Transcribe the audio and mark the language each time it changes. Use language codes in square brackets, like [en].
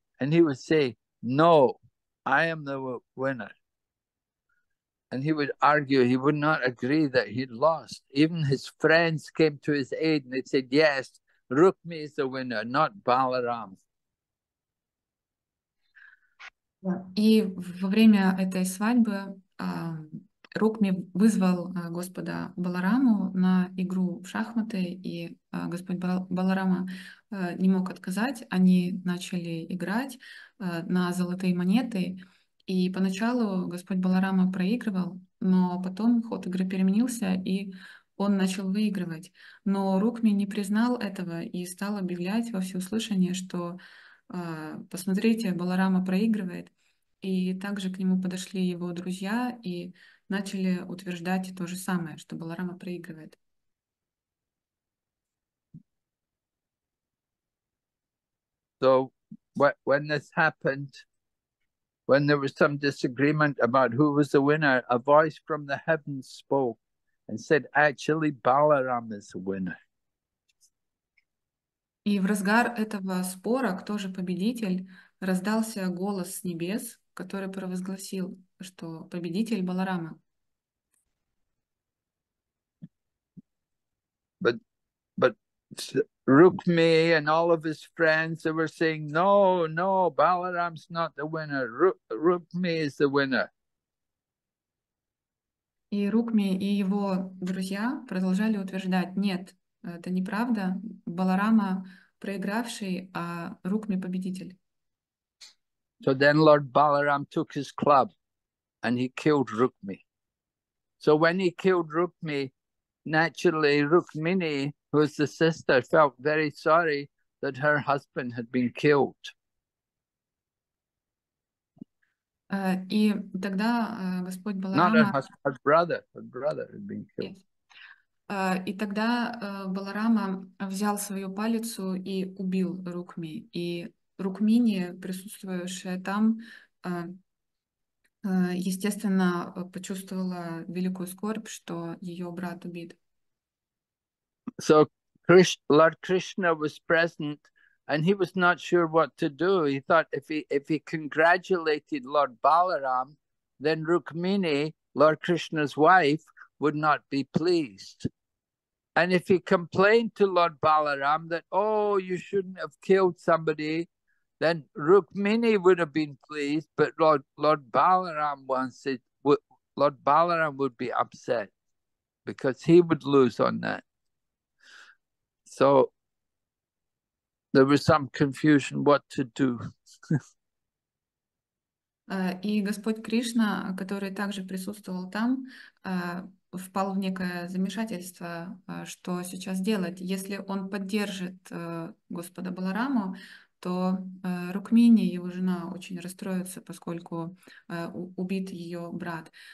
[en] And he would say, no, I am the winner. And he would argue, he would not agree that he'd lost. Even his friends came to his aid and they said, yes, Rukmi is the winner, not Balaram. [ru] И во время этой свадьбы Рукми вызвал господа Балараму на игру в шахматы, и господь Баларама не мог отказать. Они начали играть на золотые монеты, и поначалу господь Баларама проигрывал, но потом ход игры переменился, и он начал выигрывать. Но Рукми не признал этого и стал объявлять во всеуслышание, что посмотрите, Баларама проигрывает. И также к нему подошли его друзья и начали утверждать то же самое, что Баларама проигрывает. [en] So when this happened, when there was some disagreement about who was the winner, a voice from the heavens spoke and said, actually, Balaram is the winner. [ru] И в разгар этого спора, кто же победитель, раздался голос с небес, который провозгласил, что победитель Баларама. [en] But Rukmi and all of his friends they were saying, no, no, Balaram's not the winner. Rukmi is the winner. [ru] И Рукми и его друзья продолжали утверждать, нет, это неправда, Баларама проигравший, а Рукми победитель. [en] So then Lord Balaram took his club and he killed Rukmi. So when he killed Rukmi, naturally Rukmini, who is the sister, felt very sorry that her husband had been killed. [ru] И тогда господь Баларама... [en] Not her husband, her brother had been killed. [ru] И тогда Баларама взял свою палицу и убил Рукми. И Рукмини, присутствующая там, естественно, почувствовала великую скорбь, что ее брат убит. [en] So Lord Krishna was present, and he was not sure what to do. He thought if he congratulated Lord Balaram, then Rukmini, Lord Krishna's wife, would not be pleased. And if he complained to Lord Balaram that, oh, you shouldn't have killed somebody, then Rukmini would have been pleased, but Lord Balaram wants it. Lord Balaram would be upset because he would lose on that. So there was some confusion what to do. [ru] И Господь Кришна, который также присутствовал там, впал в некое замешательство, что сейчас делать. Если он поддержит Господа Балараму, то Рукмини, его жена, очень расстроится, поскольку убит ее брат.